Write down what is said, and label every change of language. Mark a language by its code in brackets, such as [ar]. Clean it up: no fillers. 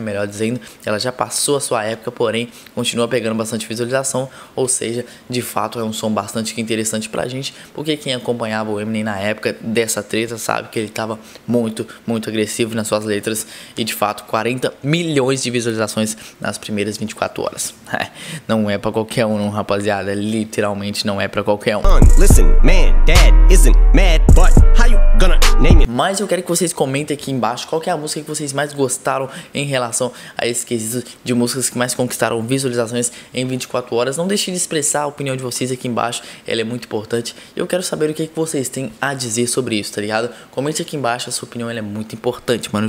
[pt] Melhor dizendo, ela já passou a sua época, porém continua pegando bastante visualização, ou seja, de fato é um som bastante interessante pra gente, porque quem acompanhava o Eminem na época dessa treta sabe que ele tava muito, muito agressivo nas suas letras. E de fato, 40 milhões de visualizações nas primeiras 24 horas. Não é pra qualquer um, rapaziada. Literalmente não é pra qualquer um. [en] Listen, man, dad isn't mad, but how you gonna name it? [pt] Mas eu quero que vocês comentem aqui embaixo qual que é a música que vocês mais gostaram em relação a esse quesito de músicas que mais conquistaram visualizações em 24 horas. Não deixe de expressar a opinião de vocês aqui embaixo, ela é muito importante. Eu quero saber o que vocês têm a dizer sobre isso, tá ligado? Comente aqui embaixo, a sua opinião ela é muito importante, mano.